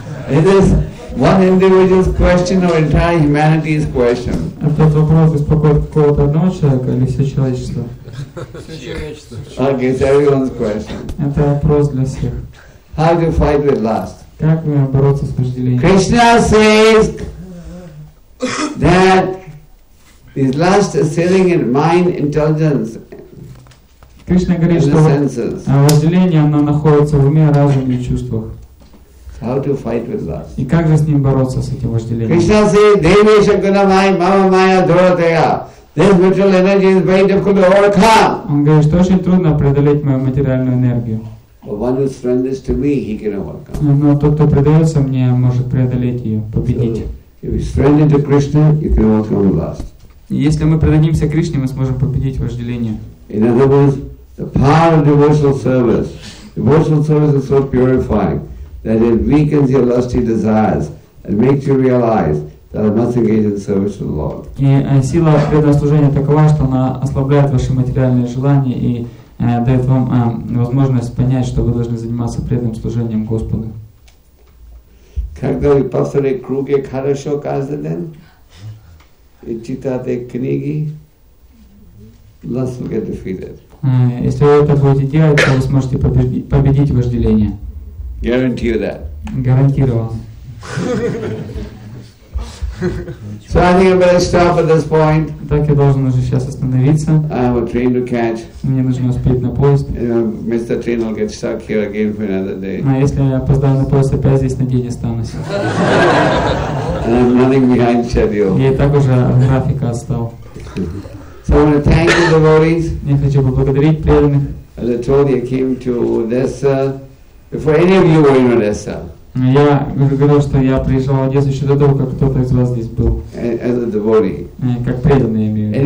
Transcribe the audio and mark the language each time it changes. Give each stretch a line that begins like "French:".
English: It is one individual's question or entire humanity's question.
Russian: Этот вопрос беспокоит какого-то одного человека или все человечество?
English: Okay, it's everyone's question.
Russian: Это вопрос для всех.
English: How to fight with lust?
Russian: Как мне бороться с вожделением?
English: Krishna says that this lust is sitting in mind, intelligence.
Russian: Кришна говорит, что вожделение, оно находится в уме, разуме и чувствах.
English: How to fight with lust?
Russian: И как же с ним бороться, с этим вожделением?
English: Krishna says,
Sanskrit: Devesha Gunamai, Mama Maya Dorotaya.
English: This material energy is very difficult to overcome.
Russian: Он говорит, что очень трудно преодолеть мою материальную энергию.
English: But one who surrenders to me, he can overcome.
Russian: Но тот, кто предается мне, может преодолеть ее, победить.
English: So, if you surrender to Krishna, you can overcome lust.
Russian: Если мы предадимся Кришне, мы сможем победить вожделение.
English: In other words, the power of devotional service is so purifying that it weakens your lusty desires and makes you realize that I must engage in service to the Lord.
Russian: И сила предослужения такова, что она ослабляет ваши материальные желания и дает вам возможность понять, что вы должны заниматься преданным служением Господу. Как говорит пастор, круге хорошо каждый день, и читайте книги.
English: Lust will get defeated.
Russian: Если вы это будете делать, то вы сможете победить вожделение.
English: Guarantee that.
Russian: Гарантировал.
English: So I think I better stop at this point.
Russian: Так я должен уже сейчас остановиться.
English: I have a train to catch.
Russian: Мне нужно успеть на поезд.
English: Miss the train, I'll get stuck here again for another day.
Russian: А если я опоздаю на поезд, опять здесь на день останусь.
English: And I'm running behind schedule.
Russian: И так уже график отстал.
English: So I want to thank the devotees.
Russian: Я хочу поблагодарить преданных.
English: As I told you, I came to Odessa. Before any of you were in Odessa.
Russian: Я говорил, что я приезжал в Одессу еще до того, как кто-то из вас здесь был.
English: As a devotee.
Russian: Как преданный, я имею в виду.